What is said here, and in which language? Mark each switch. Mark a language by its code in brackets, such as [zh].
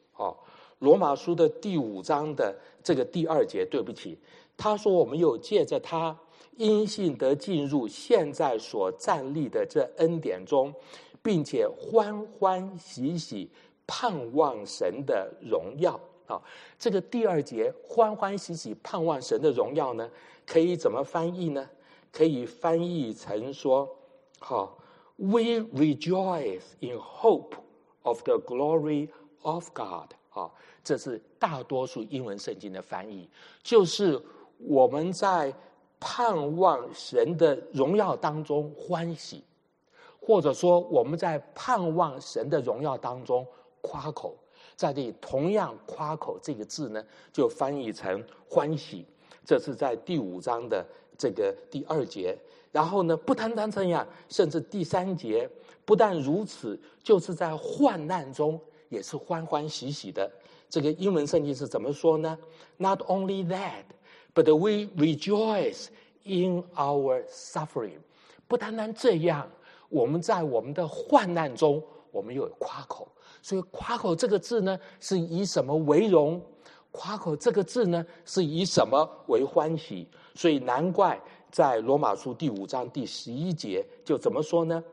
[zh] 哦，罗马书的第五章的这个第二节，对不起，他说我们又借着他因信得进入现在所站立的这恩典中，并且欢欢喜喜盼望神的荣耀。好，这个第二节欢欢喜喜盼望神的荣耀呢，可以怎么翻译呢？可以翻译成说，好 [en] ，We rejoice in hope of the glory of God， [zh] 啊，这是大多数英文圣经的翻译，就是我们在盼望神的荣耀当中欢喜，或者说我们在盼望神的荣耀当中夸口。在这里同样夸口这个字呢，就翻译成欢喜，这是在第五章的这个第二节。然后呢，不单单这样，甚至第三节，不但如此，就是在患难中也是欢欢喜喜的。这个英文圣经是怎么说呢？ [en] Not only that, but we rejoice in our suffering. [zh] 不单单这样，我们在我们的患难中我们又有夸口。所以夸口这个字呢，是以什么为荣？夸口这个字呢，是以什么为欢喜？所以难怪在罗马书第五章第十一节就怎么说呢？